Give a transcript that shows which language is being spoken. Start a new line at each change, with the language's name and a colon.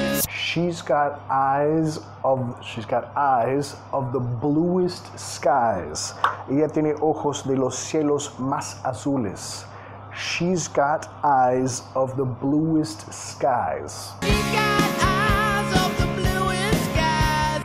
English: She's got eyes of the bluest skies.
Spanish: Ella tiene ojos de los cielos más azules.
English: She's got eyes of the bluest skies. She's got eyes of the bluest skies.